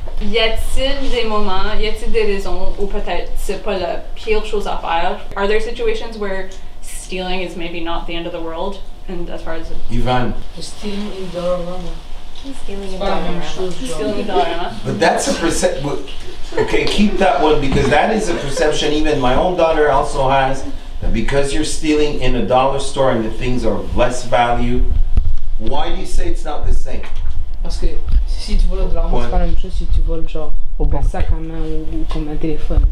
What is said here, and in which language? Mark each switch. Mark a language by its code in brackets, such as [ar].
[fr] Y a-t-il des moments, y a-t-il des raisons où peut-être c'est pas la pire chose à faire? [en] Are there situations where stealing is maybe not the end of the world? And as far as Ivan. Stealing in Dollarama. Okay, keep that one because that is a perception even my own daughter also has, that because you're stealing in a dollar store and the things are of less value, why do you say it's not the same? [fr] Parce que si tu voles de l'argent, c'est pas la même chose si tu voles genre au un sac à main ou comme un téléphone.